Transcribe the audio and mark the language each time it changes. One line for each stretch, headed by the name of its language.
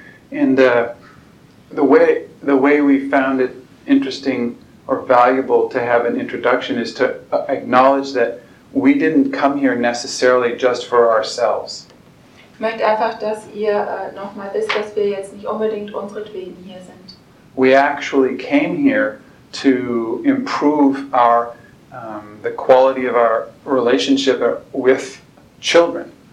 English: And the way we found it interesting or valuable to have an introduction is to acknowledge that we didn't come here necessarily just for ourselves.
German: Ich möchte einfach, dass ihr nochmal wisst, dass wir jetzt nicht unbedingt unseretwegen hier sind.
English: We actually came here to improve our the quality of our relationship with children.